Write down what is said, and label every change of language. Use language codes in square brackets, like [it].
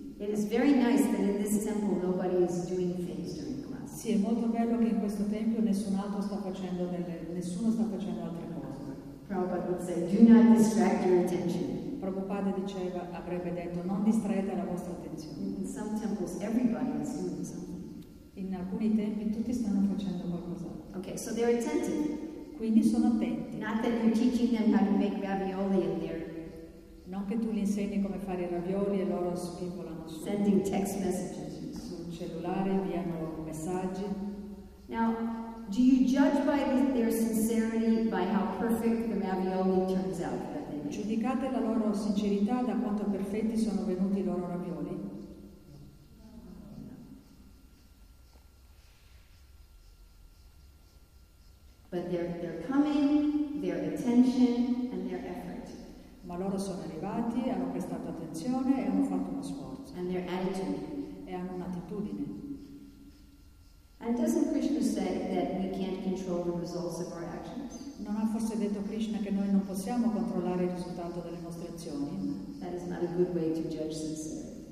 [en] It is very nice that in this temple nobody is doing things during class. [it] Sì, è molto bello che in questo tempio nessun altro sta facendo delle, nessuno sta facendo altre cose. [en] Prabhupada would say, do not distract your attention. [it] Prabhupada diceva, avrebbe detto, non distraete la vostra attenzione. [en] In some temples, everybody is doing something. [it] In alcuni tempi tutti stanno facendo qualcosa. [en] Okay, so they're attentive. [it] Quindi sono attenti. [en] Not that you're teaching them how to make ravioli in their. [it] Non che tu gli insegni come fare i ravioli e loro spigolano su. [en] Sending text messages. [it] Sul cellulare inviano messaggi. [en] Now, do you judge by their sincerity by how perfect the ravioli turns out that they make? [it] Giudicate la loro sincerità da quanto perfetti sono venuti i loro ravioli? [en] But they're coming, their attention and their effort. [it] Ma loro sono arrivati, hanno prestato attenzione e hanno fatto uno sforzo. [en] And their attitude. [it] E hanno un'attitudine. [en] And doesn't Krishna say that we can't control the results of our actions? [it] Non ha forse detto Krishna che noi non possiamo controllare il risultato delle nostre azioni? [en] That is not a good way to judge sincerity.